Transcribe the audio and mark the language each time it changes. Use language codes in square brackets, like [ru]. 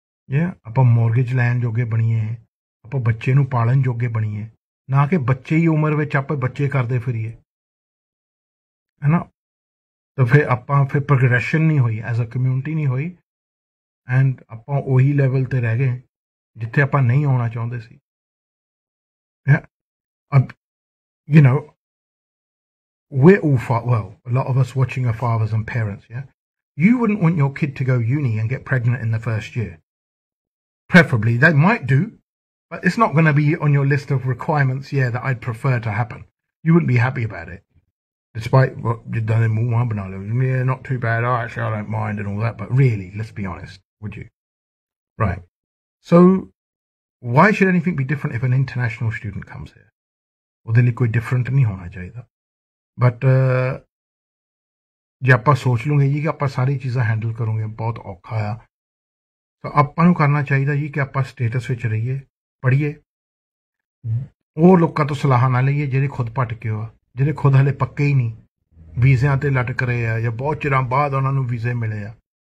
[pa] ਜੇ ਆਪਾਂ ਮੋਰਗੇਜ ਲੈਣ ਜੋਗੇ ਬਣੀਏ, ਆਪਾਂ ਬੱਚੇ ਨੂੰ ਪਾਲਣ ਜੋਗੇ ਬਣੀਏ, ਨਾ ਕਿ ਬੱਚੇ ਹੀ ਉਮਰ ਵਿੱਚ ਆਪਾਂ ਬੱਚੇ ਕਰਦੇ ਫਿਰੀਏ, ਹੈ ਨਾ, ਤਾਂ ਫਿਰ ਆਪਾਂ ਫਿਰ ਪ੍ਰੋਗਰੈਸ਼ਨ ਨਹੀਂ ਹੋਈ [en] as a community [pa] ਨਹੀਂ ਹੋਈ, ਐਂਡ ਆਪਾਂ ਉਹੀ ਲੈਵਲ 'ਤੇ ਰਹਿ ਗਏ ਜਿੱਥੇ ਆਪਾਂ ਨਹੀਂ ਆਉਣਾ ਚਾਹੁੰਦੇ ਸੀ. [en] You know, we're all far, well, a lot of us watching our fathers and parents, yeah? You wouldn't want your kid to go uni and get pregnant in the first year. Preferably, they might do, but it's not going to be on your list of requirements, yeah, that I'd prefer to happen. You wouldn't be happy about it. Despite what you've done in one banana, yeah, not too bad, oh, actually, I don't mind and all that, but really, let's be honest, would you? Right. So, why should anything be different if an international student comes here? [pa] ਉਹਦੇ ਲਈ ਕੋਈ different ਨਹੀਂ ਹੋਣਾ ਚਾਹੀਦਾ. But ਜੇ ਆਪਾਂ ਸੋਚ ਲੂੰਗੇ ਜੀ ਕਿ ਆਪਾਂ ਸਾਰੀ ਚੀਜ਼ਾਂ ਹੈਂਡਲ ਕਰੂੰਗੇ, ਬਹੁਤ ਔਖਾ ਆ, ਤਾਂ ਆਪਾਂ ਨੂੰ ਕਰਨਾ ਚਾਹੀਦਾ ਜੀ ਕਿ ਆਪਾਂ ਸਟੇਟਸ ਵਿੱਚ ਰਹੀਏ, ਪੜ੍ਹੀਏ, ਉਹ ਲੋਕਾਂ ਤੋਂ ਸਲਾਹ ਨਾ ਲਈਏ ਜਿਹੜੇ ਖੁਦ ਭਟਕੇ ਆ, ਜਿਹੜੇ ਖੁਦ ਹਾਲੇ ਪੱਕੇ ਹੀ ਨਹੀਂ, ਵੀਜ਼ਿਆਂ 'ਤੇ ਲਟਕ ਰਹੇ ਆ ਜਾਂ ਬਹੁਤ ਚਿਰਾਂ ਬਾਅਦ ਉਹਨਾਂ ਨੂੰ ਵੀਜ਼ੇ ਮਿਲੇ ਆ.